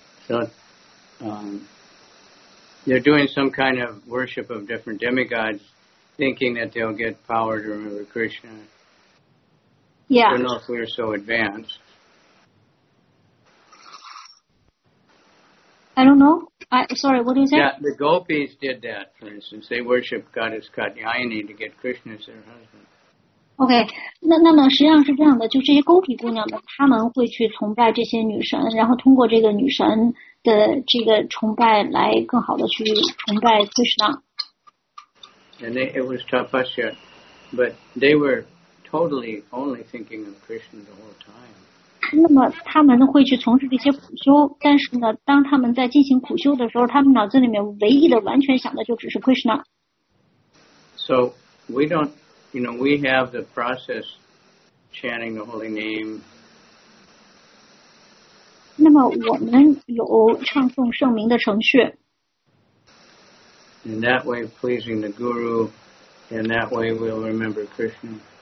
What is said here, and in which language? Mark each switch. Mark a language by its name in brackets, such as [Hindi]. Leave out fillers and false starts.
[English] So they're doing some kind of worship of different demigods, thinking that they'll get power to remember Krishna. Yeah. I don't know if we're so advanced. I don't know. Sorry, what did you say? Yeah, the gopis did that, for instance. They worship goddess Katyayani to get Krishna as their husband. [Chinese] OK, 那么实际上是这样的，就这些勾皮姑娘们，她们会去崇拜这些女神，然后通过这个女神的这个崇拜来更好的去崇拜 Krishna。 [English] And it was tapasya, but they were totally only thinking of Krishna the whole time. [Chinese] 那么她们会去从事这些苦修，但是呢，当她们在进行苦修的时候，她们脑子里面唯一的完全想的就只是 Krishna。 [English] You know, we have the process chanting the holy name. [Chinese] 那么我们有唱诵圣名的程序。 [English] In that way, pleasing the guru, in that way, we'll remember Krishna.